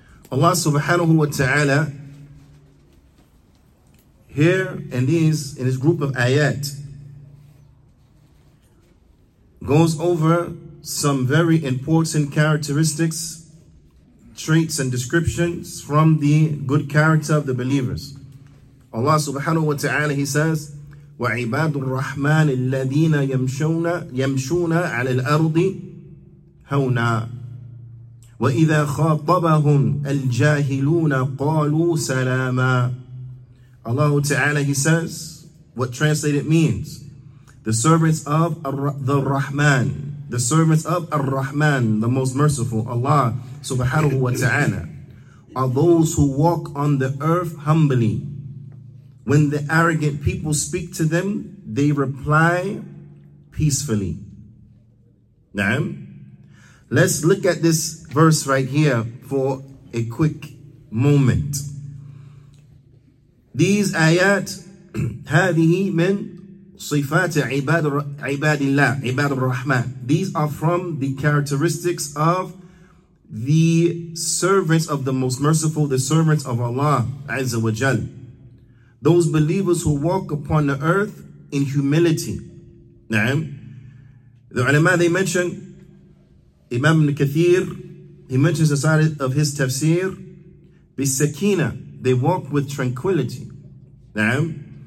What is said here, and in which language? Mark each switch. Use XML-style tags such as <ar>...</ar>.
<en>Allah subhanahu wa ta'ala, here in these, in this group of ayat, goes over some very important characteristics, traits and descriptions from the good character of the believers. Allah subhanahu wa ta'ala, he says,</en> <ar>وَعِبَادُ الرَّحْمَنِ الَّذِينَ يَمْشُونَ عَلَى الْأَرْضِ هَوْنَا وَإِذَا خَاطَبَهُمْ الْجَاهِلُونَ قَالُوا سَلَامًا.</ar> <en>Allah ta'ala, he says, what translated means, the servants of the Rahman, the servants of Ar-Rahman, the most merciful, Allah subhanahu wa ta'ala, are those who walk on the earth humbly. When the arrogant people speak to them, they reply peacefully. Na'am. Let's look at this verse right here for a quick moment. These ayat,</en> <ar>هذه من صفات عباد الله, عباد الرحمن.</ar> <en>These are from the characteristics of the servants of the Most Merciful, the servants of Allah Azza wa Jal. Those believers who walk upon the earth in humility. Na'am. The ulama, they mention, Imam Ibn Kathir, he mentions inside of his tafsir, بِالسَّكِينَ, they walk with tranquility. Na'am.</en>